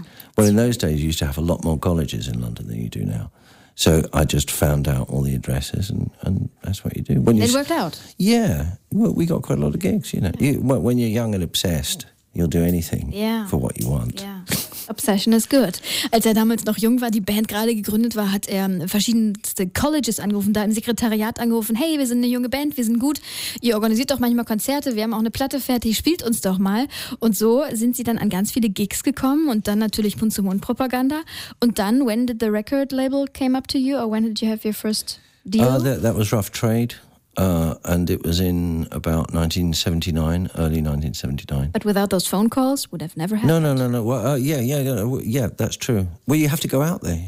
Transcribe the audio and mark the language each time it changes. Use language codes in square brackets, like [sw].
[en] Yeah, well, in those days, you used to have a lot more colleges in London than you do now. So I just found out all the addresses, and that's what you do. When you it worked out? Yeah. Well, we got quite a lot of gigs, you know. Yeah. When you're young and obsessed, you'll do anything for what you want. Yeah. Obsession is good. [de] Als er damals noch jung war, die Band gerade gegründet war, hat er verschiedenste Colleges angerufen, da im Sekretariat angerufen, hey, wir sind eine junge Band, wir sind gut, ihr organisiert doch manchmal Konzerte, wir haben auch eine Platte fertig, spielt uns doch mal. Und so sind sie dann an ganz viele Gigs gekommen und dann natürlich Mund-zu-Mund-Propaganda. Und dann, [en] when did the record label came up to you or when did you have your first deal? That was Rough Trade. And it was in about 1979, early 1979. But without those phone calls, would have never happened. No. Well, that's true. Well, you have to go out there.